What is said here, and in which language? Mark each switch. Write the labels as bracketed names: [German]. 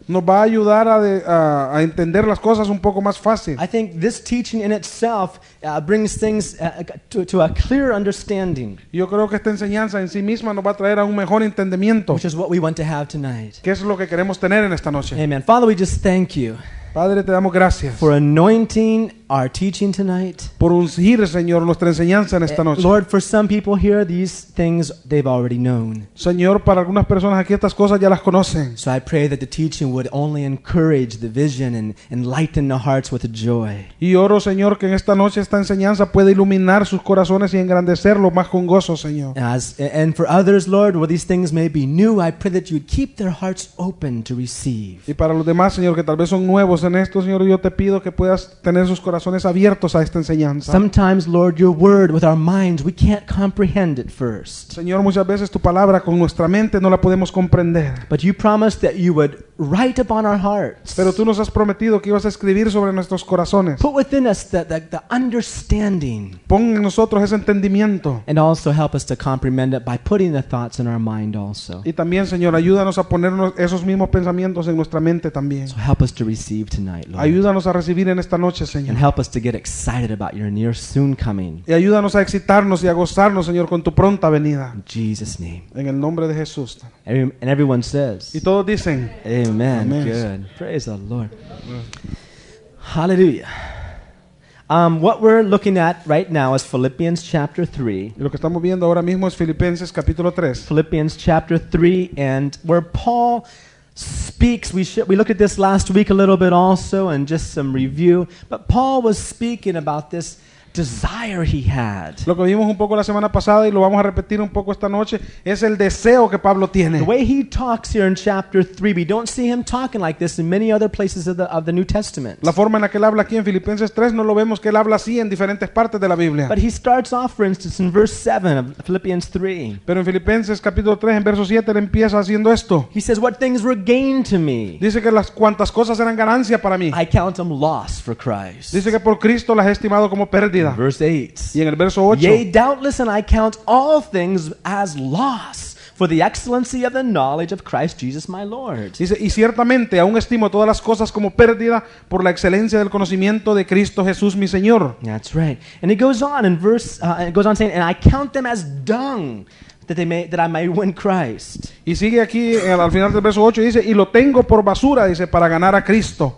[Spanish] Nos va a ayudar a entender las cosas un poco más fácil. [English] I think this teaching in itself brings things to a clear understanding. [Spanish] Yo creo que esta enseñanza en sí misma nos va a traer a un mejor entendimiento. [English] Which is what we want to have tonight. [Spanish] Que es lo que queremos tener en esta noche. [English] Amen. Father, we just thank you. [Spanish] Padre, te damos gracias. [English] For anointing our teaching tonight. [Spanish] Por ungir, Señor, nuestra enseñanza en esta noche. [English] Lord, for some people here, these things they've already known. [Spanish] Señor, para algunas personas aquí estas cosas ya las conocen. [English] So I pray that the teaching would only encourage the vision and enlighten the hearts with joy. [Spanish] Y oro, Señor, que en esta noche esta enseñanza pueda iluminar sus corazones y engrandecerlos más con gozo, Señor. [English] And for others, Lord, where these things may be new, I pray that you'd keep their hearts open to receive. [Spanish] Y para los demás, Señor, que tal vez son nuevos en esto, Señor, yo te pido que puedas tener sus corazones abiertos a esta enseñanza. [English] Sometimes, Lord, your word with our minds, we can't comprehend it first. [Spanish] Señor, muchas veces tu palabra con nuestra mente no la podemos comprender. [English] But you promised that you would write upon our hearts. [Spanish] Pero tú nos has prometido que ibas a escribir sobre nuestros corazones. [English] Put within us the understanding. [Spanish] Pon en nosotros ese entendimiento. [English] And also help us to comprehend it by putting the thoughts in our mind also. [Spanish] Y también, Señor, ayúdanos a ponernos esos mismos pensamientos en nuestra mente también. [English] So help us to receive tonight, Lord. [Spanish] Ayúdanos a recibir en esta noche, Señor. [English] And help us to get excited about your near soon coming. [Spanish] Y ayúdanos a excitarnos y a gozarnos, Señor, con tu pronta venida. [English] In Jesus' name. [Spanish] En el nombre de Jesús. [English] And everyone says. [Spanish] Y todos dicen. [English] Amen. Amen. Good. Praise the Lord. Hallelujah. What we're looking at right now is Philippians chapter 3. [Spanish] Lo que estamos viendo ahora mismo es Filipenses capítulo 3. [English] Philippians chapter 3, and where Paul speaks, we looked at this last week a little bit also, and just some review, but Paul was speaking about this desire he had. [Spanish] Lo que vimos un poco la semana pasada y lo vamos a repetir un poco esta noche es el deseo que Pablo tiene. [English] The way he talks here in chapter 3, we don't see him talking like this in many other places of the New Testament. [Spanish] La forma en la que él habla aquí en Filipenses 3 no lo vemos que él habla así en diferentes partes de la Biblia. [English] But he starts off, for instance, in verse 7 of Philippians 3. [Spanish] Pero en Filipenses capítulo 3 en verso 7 él empieza haciendo esto. [English] He says what things were gain to me. [Spanish] Dice que las cuantas cosas eran ganancia para mí. [English] I count them loss for Christ. [Spanish] Dice que por Cristo las he estimado como pérdida. [English] Verse 8. Yea, doubtless, and I count all things as loss for the excellency of the knowledge of Christ Jesus my Lord. [Spanish] Dice, y ciertamente aún estimo todas las cosas como pérdida por la excelencia del conocimiento de Cristo Jesús mi Señor. [English] That's right. And it goes on in verse, it goes on saying, and I count them as dung. That I may win Christ. [Spanish] Y sigue aquí al final del verso 8 dice, y lo tengo por basura, dice, para ganar a Cristo.